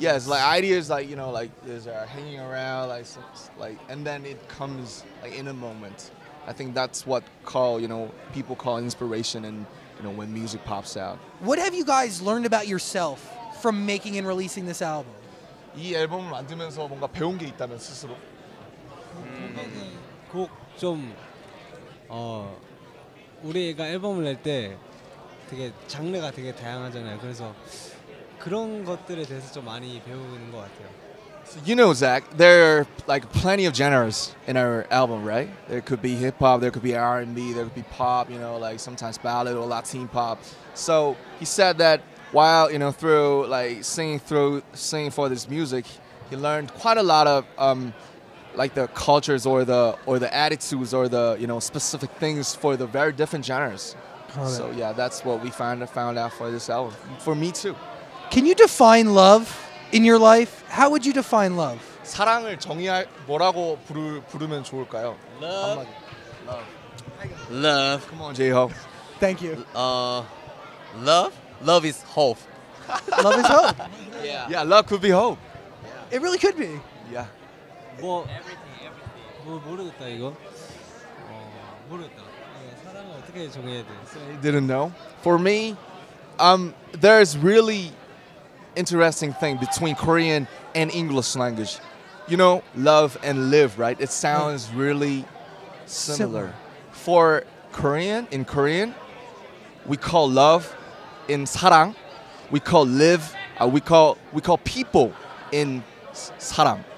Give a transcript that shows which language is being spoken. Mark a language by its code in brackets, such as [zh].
[en] Yes, like ideas, like, you know, like there's hanging around, like, and then it comes like in a moment. I think that's what people call inspiration, and you know, when music pops out. What have you guys learned about yourself from making and releasing this album? [ko] 이 앨범을 만들면서 뭔가 배운 게 있다면 스스로 곡 좀 우리가 앨범을 낼 때 되게 장르가 되게 다양하잖아요. 그래서 그런 것들에 대해서 좀 많이 배우는 것 같아요. [en] So you know, Zach, there are like plenty of genres in our album, right? There could be hip hop, there could be R&B, there could be pop, you know, like sometimes ballad or Latin pop. So he said that while, you know, singing for this music, he learned quite a lot of like the cultures or the attitudes or the, you know, specific things for the very different genres. So yeah, that's what we found out for this album. For me too. Can you define love in your life? How would you define love? [ko] 사랑을 정의할 뭐라고 부르면 좋을까요? [en] Love. Come on, J-Ho. Thank you. Love. Love is hope. Love is hope. Yeah. Yeah, love could be hope. Yeah. It really could be. Yeah. Well, everything. [ko] 모르겠다 이거. 모르겠다. 사랑을 어떻게 정해야 돼? [en] So, didn't know. For me, there's really interesting thing between Korean and English language. You know, love and live, right? It sounds really similar. For Korean, in Korean, we call love in 사랑, we call live, we call people in 사랑.